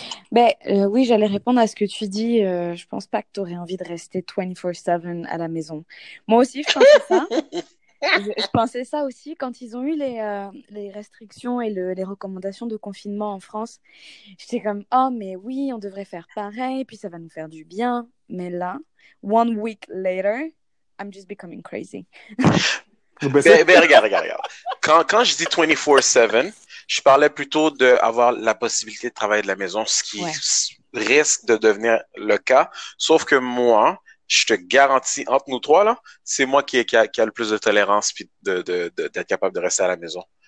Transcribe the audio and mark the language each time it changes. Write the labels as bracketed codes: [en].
[fr] Ben oui, j'allais répondre à ce que tu dis. Je pense pas que tu aurais envie de rester 24/7 à la maison. Moi aussi, je pensais ça. Je pensais ça aussi quand ils ont eu les restrictions et les recommandations de confinement en France. J'étais comme, oh, mais oui, on devrait faire pareil, puis ça va nous faire du bien. Mais là, [en] one week later, I'm just becoming crazy. [fr] Mais regarde. Quand je dis 24/7, je parlais plutôt d'avoir la possibilité de travailler de la maison, ce qui risque de devenir le cas. Sauf que moi, je te garantis, entre nous trois, là, c'est moi qui a le plus de tolérance puis d'être capable de rester à la maison.